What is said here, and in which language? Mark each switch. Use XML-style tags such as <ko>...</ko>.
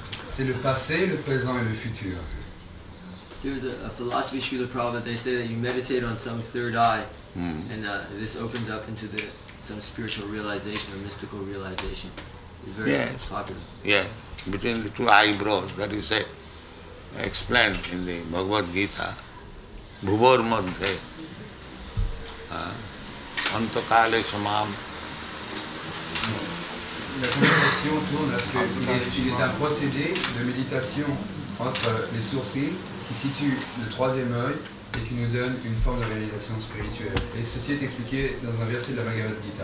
<fr>C'est le passé, le présent et le futur.</fr> <en>There's a philosophy Srila Prabhupada, they say that you meditate on some third eye and this opens up into the some spiritual realization or mystical realization. It's very popular. Yeah, between the two eyebrows, that is said, explained in the Bhagavad Gita,</en> <sa>Bhubor Madhe, Antakale Samam.</sa> <fr>La conversation tourne à ce qu'il est un procédé de méditation entre les sourcils qui situe le troisième œil et qui nous donne une forme de réalisation spirituelle. Et ceci est expliqué dans un verset de la Bhagavad Gita.</fr>